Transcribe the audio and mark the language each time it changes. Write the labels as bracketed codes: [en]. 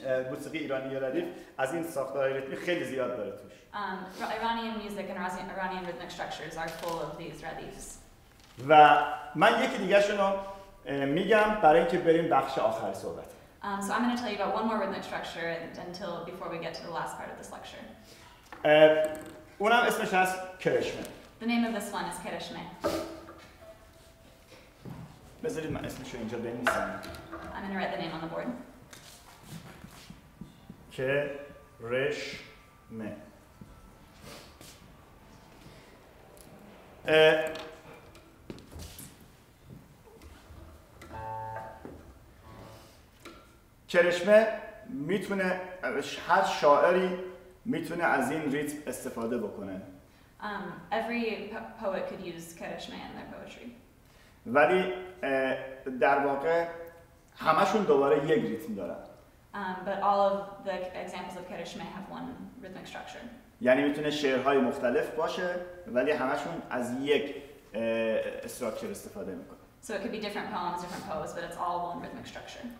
[fa] موسیقی ایرانی یا ردیف از این ساختارهای ریتمیک خیلی زیاد داره توش. [en] Iranian music and Iranian rhythmic structures are full of these ردیفs. [fa] و من یکی دیگه شنو میگم برای اینکه بریم بخش آخر صحبت. [en] So I'm going to tell you about one more rhythmic structure until before we get to the last part of this lecture. [fa] اونم اسمش از کرشمه. [en] The name of this one is کرشمه. [fa] بذارید من اسمش رو اینجا بنویسم. [en] I'm going to write the name on the board. [fa] کرشمه. کرشمه میتونه هر شاعری میتونه از این ریتم استفاده بکنه. [en] Every poet could use کرشمه in their poetry. [fa] ولی در واقع همشون دوباره یک ریتم دارن. [en] But all of the examples of کرشمه have one rhythmic structure. [fa] یعنی میتونه شعرهای مختلف باشه ولی همشون از یک استراکچر استفاده میکنه. [en] So it could be different poems, different poses, but it's all one rhythmic structure.